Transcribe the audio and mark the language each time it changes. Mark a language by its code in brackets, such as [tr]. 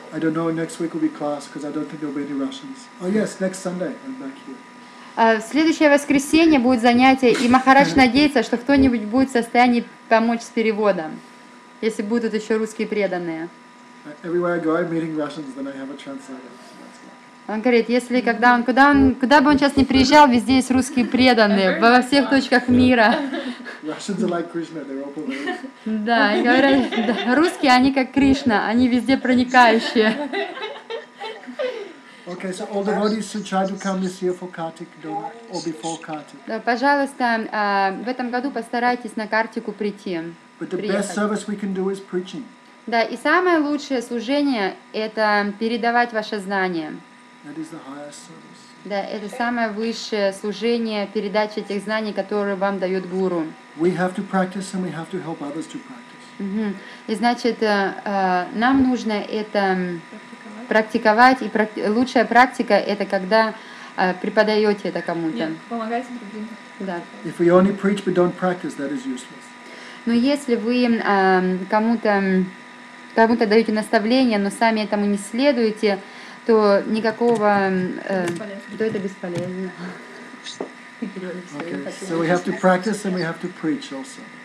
[en] I don't know if next week will be class, because I don't think there'll be any Russians. Oh yes, next Sunday I'm back here. [ru] В следующее воскресенье будет занятие, и Махарадж надеется, что кто-нибудь будет в состоянии помочь с переводом. Если будут еще русские преданные. [en] Everywhere I go, I'm meeting Russians, then I have a translator. [ru] Он говорит, если когда он, куда он, куда бы он сейчас ни приезжал, везде есть русские преданные, во всех точках мира. [en] Russians are like Krishna, they're all pervasive. [ru] Да, и говорят, да, русские, они как Кришна, они везде проникающие. [en] Okay, so all devotees should try to come this year for Kartik Dona, or before Kartik. [ru] Да, пожалуйста, в этом году постарайтесь на Картику прийти. [en] But the best service we can do is preaching. [ru] Да, и самое лучшее служение – это передавать ваше знание. [en] That is the highest service. [ru] Да, это самое высшее служение – передача тех знаний, которые вам дает Гуру. [en] We have to practice and we have to help others to practice. [ru] И значит, нам нужно это практиковать, и лучшая практика – это когда преподаете это кому-то. Помогайте другим. Да. [en] If we only preach but don't practice, that is useless. [ru] Но если вы кому-то даете наставление, но сами этому не следуете, то никакого то это бесполезно. [en] Okay. So we have to practice and we have to preach also.